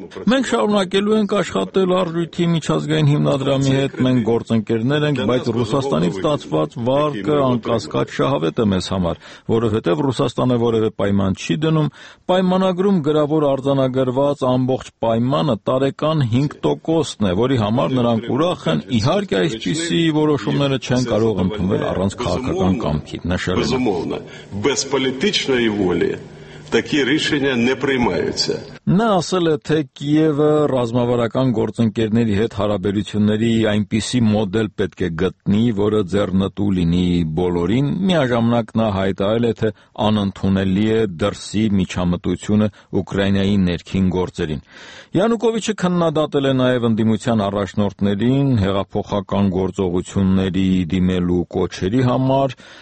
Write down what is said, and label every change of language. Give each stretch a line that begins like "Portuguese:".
Armenian: Մենք շարունակելու ենք աշխատել արժույթի միջազգային հիմնադրամի հետ, մենք գործընկերներ ենք, բայց Ռուսաստանից ստացված վարկը անկասկած շահավետ է մեզ համար, որովհետև Ռուսաստանը որևէ պայման չի դնում, պայմանագրում գրավոր արձանագրված ամբողջ պայմանը տարեկան 5%-ն է, որի համար նրանք ուրախ են, իհարկե այսպիսի որոշումները չեն կարող ընդունվել առանց քաղաքական կամքի, նշել է։
Ukrainian: Такі рішення не приймаються.
Armenian: Նա ասել է, թե Կիևը ռազմավարական գործընկերների հետ հարաբերությունների այնպիսի մոդել պետք է գտնի, որը ձեռնտու լինի բոլորին։ Միաժամանակ նա հայտարել է, թե անընդունելի է դրսի միջամտությունը Ուկրաինայի ներքին գործերին։ Յանուկովիչը քննադատել է նաև ընդդիմության առաջնորդներին հեղափոխական գործողությունների դիմելու կոչերի համար։